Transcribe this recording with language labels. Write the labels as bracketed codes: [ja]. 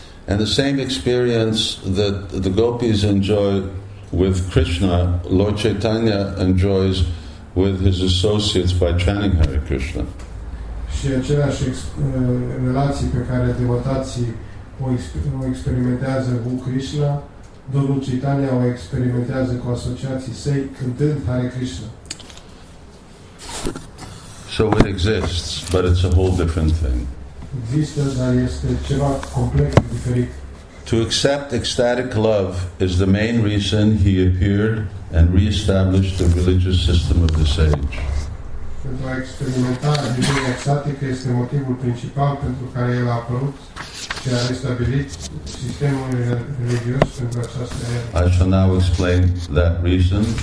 [en] And the same experience that the gopis enjoy with Krishna, Lord Chaitanya enjoys with his associates by chanting Hare Krishna. [ro] Și aceleași relații pe care devotații o experimentează cu Krishna, Domnul Chaitanya o experimentează cu asociații săi cântând Hare Krishna. [en] So it exists, but it's a whole different thing. [ro] Există, dar este ceva complet diferit. [en] To accept ecstatic love is the main reason he appeared and re-established the religious system of this age. [ro] Pentru a experimenta iubirea ecstatică este motivul principal pentru care el a apărut și a restabilit sistemul religios pentru această era. [en] I shall now explain that reason.